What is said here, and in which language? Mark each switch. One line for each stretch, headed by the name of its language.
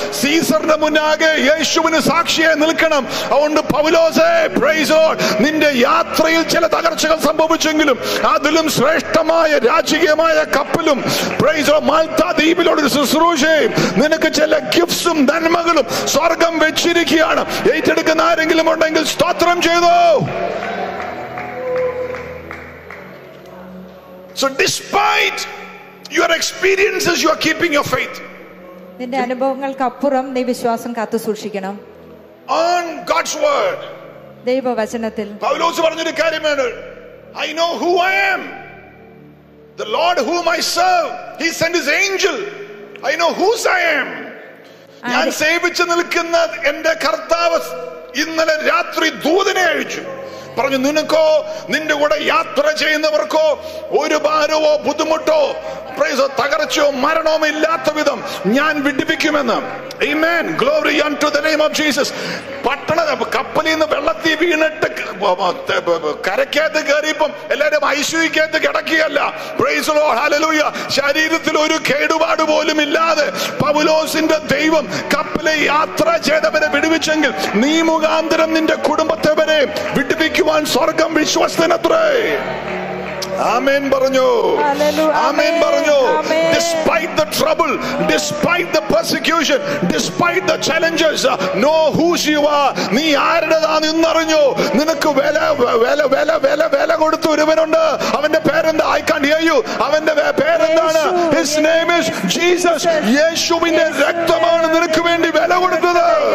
Malayalam: സീസറിന്റെ മുന്നാകെ യേശുവിന് സാക്ഷിയായി നിൽക്കണം. അതുകൊണ്ട് പൗലോസേ, പ്രൈസോ, നിന്റെ യാത്രയിൽ ചില തകർച്ചകൾ സംഭവിച്ചെങ്കിലും അതിലും ശ്രേഷ്ഠമായ രാജകീയമായ കപ്പലും, പ്രൈസോ, മാൽത്താ ദ്വീപിലോട് ഒരു ശുശ്രൂഷയും നിനക്ക് ചില ഗിഫ്റ്റ്സും നന്മകളും സ്വർഗം വെച്ചിരിക്കുകയാണ്. ഏറ്റെടുക്കുന്ന ആരെങ്കിലും ഉണ്ടെങ്കിൽ സ്തോത്രം ചെയ്തോ.
English: So despite your experiences, you are keeping your faith.
Malayalam: നിന്റെ അനുഭവങ്ങൾക്ക് അപ്പുറം നീ വിശ്വാസം കാത്തു സൂക്ഷിക്കണം.
English: On God's word.
Malayalam: ദൈവവചനത്തിൽ. പൗലോസ് പറഞ്ഞൊരു കാര്യമാണ്,
English: I know who I am. The Lord whom I serve, he sent his angel. I know whose I am.
Malayalam: ഞാൻ സേവിച്ചു നിൽക്കുന്ന എന്റെ കർത്താവ് ഇന്നലെ രാത്രി ദൂതനെ അയച്ചു, പറഞ്ഞു, നിനക്കോ നിന്റെ കൂടെ യാത്ര ചെയ്യുന്നവർക്കോ ഒരു ഭാരവോ ബുദ്ധിമുട്ടോ, പ്രൈസോ, തകർച്ചയോ മരണമോ ഇല്ലാത്ത വിധം ഞാൻ വിടിപ്പിക്കുമെന്ന്. ആമേൻ.
English: Glory unto the name of Jesus.
Malayalam: പട്ടണ കപ്പലിൽ നിന്ന് വെള്ളത്തിൽ വീണിട്ട് കരക്കകത്ത് കയറിയപ്പം എല്ലാരും ഐശ്വര്യക്കകത്ത് കിടക്കുകയല്ല,
English: praise lord,
Malayalam: ഹല്ലേലൂയ, ശരീരത്തിൽ ഒരു കേടുപാട് പോലും ഇല്ലാതെ പൗലോസിന്റെ ദൈവം കപ്പലെ യാത്ര ചെയ്തവരെ വിടുവിച്ചെങ്കിൽ നീ മുഖാന്തരം നിന്റെ കുടുംബത്തെ വരെ വിടുവിക്കുവാൻ സ്വർഗം വിശ്വസ്തനത്രേ. ആമേൻ പറഞ്ഞു. ആമേൻ പറഞ്ഞു.
English: Despite the trouble, despite the persecution, despite the challenges, know who you are.
Malayalam: നീ ആരുടേതാണ് എന്ന് അറിഞ്ഞു. നിനക്ക് വില വില വില വില വില കൊടുത്ത ഒരുവനുണ്ട്. അവന്റെ പേരെന്താ?
English: I can't hear you.
Malayalam: അവന്റെ പേരെന്താണ്?
English: His name is Jesus.
Malayalam: യേശുവിന്റെ രക്തമാണ് നിനക്ക് വേണ്ടി വില കൊടുത്തത്.